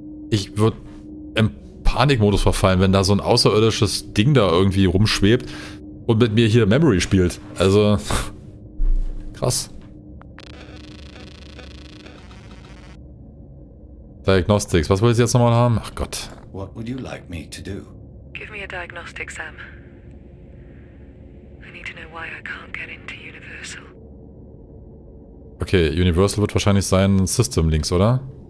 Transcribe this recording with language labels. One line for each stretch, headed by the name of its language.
German: Ich würde im Panikmodus verfallen, wenn da so ein außerirdisches Ding da irgendwie rumschwebt und mit mir hier Memory spielt. Also... Krass. Diagnostics, was wollt ihr jetzt nochmal haben? Ach Gott.
English: What would you like me to do? Give me a diagnostic, Sam. I need to know why I can't get into Universal.
German: Okay, Universal wird wahrscheinlich sein System Links, oder?